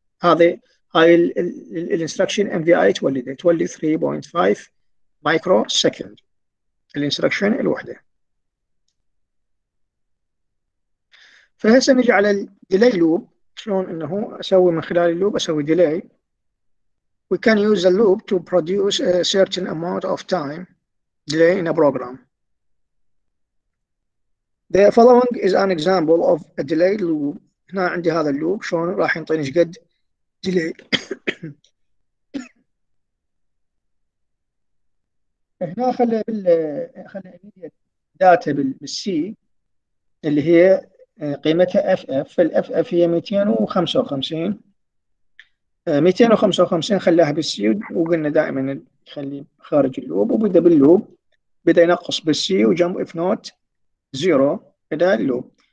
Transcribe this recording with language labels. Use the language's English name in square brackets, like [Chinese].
[Arabic] هاي الـ instruction MVI تولد 3.5 microsecond الـ instruction الوحدة. فهسه نجي على الـ delay loop، شلون انه اسوي من خلال اللوب اسوي ديلي. [English] We can use a loop to produce a certain amount of time delay in a program. The following is an example of a delay loop. [Arabic] هنا عندي هذا اللوب شلون راح ينطيني ايش قد ديلي. هنا خلي immediate data بالسي اللي هي قيمتها FF، فالF F هي 255 خلاها بالسي، وقلنا دائما نخلي خارج اللوب، وبدأ باللوب، بدأ ينقص بالسي وجمب إف نوت زيرو بدأ اللوب.